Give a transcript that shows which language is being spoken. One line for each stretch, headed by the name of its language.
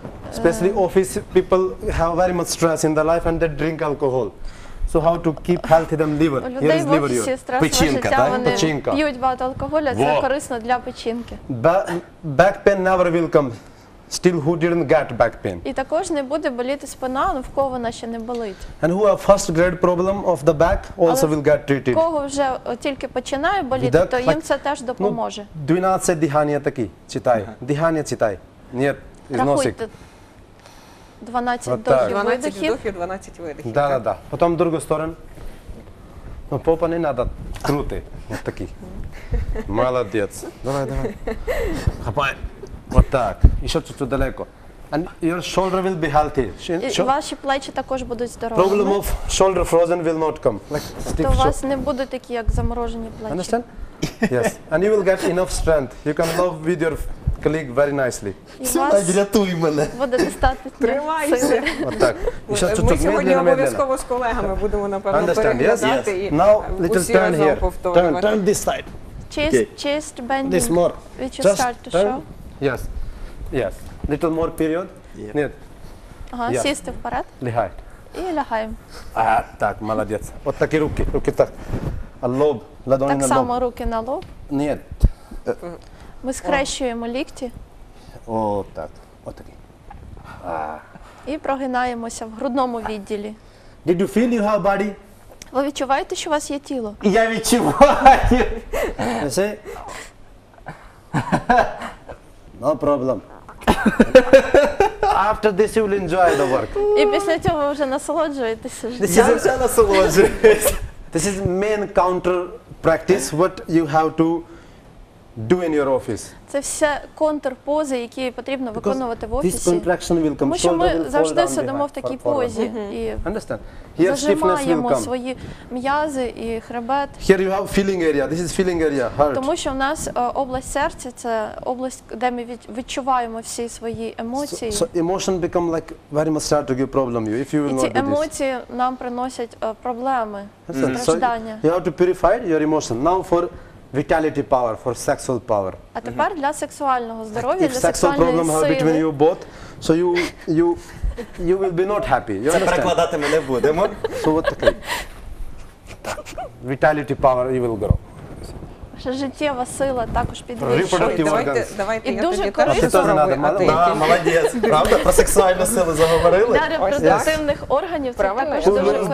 English: Especially office people have very much stress in their life and they drink alcohol. So how to keep healthy them liver? Here is liver your
Ukrainian: печінка, так? Печінка. П'ють багато алкоголю, це корисно для печінки.
English: Back pain never will come. Still who didn't get back pain.
Ukrainian: І також не буде боліти спина, ну в кого вона ще не болить.
English: And who have first grade problem of the back also
Ukrainian: але
English: will get treated.
Ukrainian: Але кого вже тільки починає боліти, that, то їм like, це теж допоможе. Ну, 12 дихання такі, читай. Дихання читай. Нет, із носик. 12 вдохів, 12 вдохів, 12 видихів. Да, так, да. Потім в другу сторону. Ну, попа не треба крути. Ось такі. Молодець. Давай, давай. Хапай. Вот так. І що тут далеко?
English: And your shoulder will be healthy.
Ukrainian: Ваші плечі також будуть здорові.
English: Problem of shoulder frozen will not come. Like
Ukrainian: то у вас не будуть такі як заморожені плечі.
English: Understand? Yes. And you will get enough strength. You can love with your colleague very nicely.
Ukrainian: Все, так, рятуй мене. Буде достатньо. Тримайся. Вот так. І що тут медленно. Ми сьогодні обов'язково з колегами будемо, напевно, переглядати.
English: Yes. Now little turn here. Turn this side. Chest bending. This more. Which you start to show. Yes. Yes. Little more period? Yep.
Russian: Нет.
Ukrainian: Ага,
English: yes.
Ukrainian: Сісти вперед. Лягай. І лягаємо. Ага, так, молодець. От такі руки. Руки так. А лоб. Ладони так на лоб. Так само руки на лоб? Ні. Ми схрещуємо лікті. О, так. От такі. І прогинаємося в грудному відділі.
English: Did you feel you have body?
Ukrainian: Ви відчуваєте, що у вас є тіло? Я відчуваю.
English: No problem. After this you will enjoy the work.
Ukrainian: І після цього ви вже насолоджуєтеся життям. Я вже насолоджуюсь.
English: This is main counter practice what you have to do in your office.
Ukrainian: Це все контрпози, які потрібно виконувати в офісі.
English: This contraction will come.
Ukrainian: Тому що ми завжди сидимо в такій позі і
English: understand? Here stiffness will come.
Ukrainian: Зажимаємо свої м'язи і хребет.
English: Here you have feeling area. This is feeling area. Heart.
Ukrainian: Тому що в нас область серця це область, де ми відчуваємо всі свої емоції.
English: So emotion become like very much start to give problem you if you will not do this.
Ukrainian: Емоції нам приносять проблеми, страждання.
English: So you have to purify your emotion. Now for vitality power for sexual power.
Ukrainian: А тепер для сексуального здоров'я, для сексуальної сили.
English: Between you both, so you will be not happy. You
Ukrainian: це перекладати ми не будемо.
English: So
Ukrainian: от такий.
English: Vitality power you will grow.
Ukrainian: Ще життєва сила також підвищує. Давайте, і дуже корисно. Молодець, правда? Про сексуальну силу заговорили. Для репродуктивних органів це також дуже корисно.